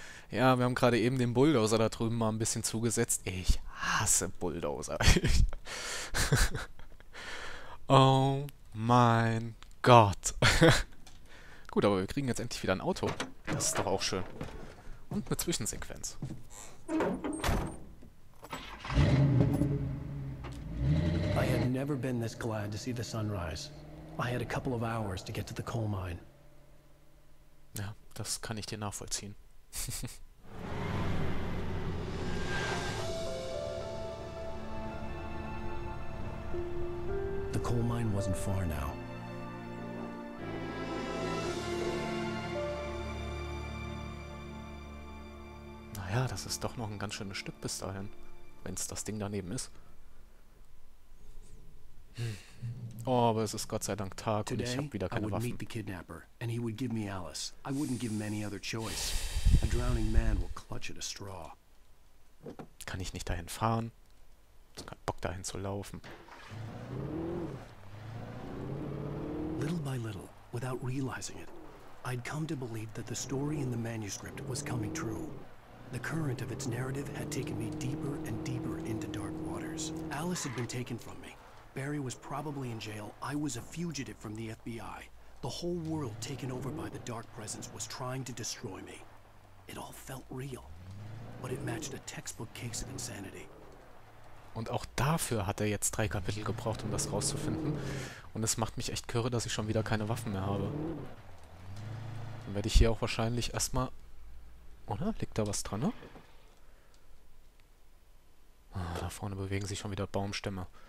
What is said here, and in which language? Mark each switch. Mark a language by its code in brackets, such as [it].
[de] Ja, wir haben gerade eben den Bulldozer da drüben mal ein bisschen zugesetzt. Ich hasse Bulldozer. Oh mein Gott. Gut, aber wir kriegen jetzt endlich wieder ein Auto. Das ist doch auch schön. Und eine Zwischensequenz. [en] I had never been this glad to see the sunrise. I had a couple of hours to get to the coal mine. [de] Ja, das kann ich dir nachvollziehen. [en] The coal mine wasn't far now. [de] Naja, das ist doch noch ein ganz schönes Stück bis dahin, wenn es das Ding daneben ist. Oh, aber es ist Gott sei Dank Tag und ich habe wieder keine Waffen. [en] I would meet the kidnapper and he would give me Alice. I wouldn't give him any other choice. A drowning man will clutch at a straw. [de] Kann ich nicht dahin fahren? Ich hab keinen Bock dahin zu laufen. [en] Little by little, without realizing it, I'd come to believe that the story in the manuscript was coming true. The current of its narrative had taken me deeper and deeper into dark waters. Alice had been taken from me. Barry was probably in jail. I was a fugitive from the FBI. The whole world taken over by the dark presence was trying to destroy me. It all felt real, but it matched a textbook case of insanity. [de] Und auch dafür hat er jetzt drei Kapitel gebraucht, um das rauszufinden. Und es macht mich echt kirre, dass ich schon wieder keine Waffen mehr habe. Dann werde ich hier auch wahrscheinlich erstmal. Oder? Liegt da was dran, ne? Ah, da vorne bewegen sich schon wieder Baumstämme.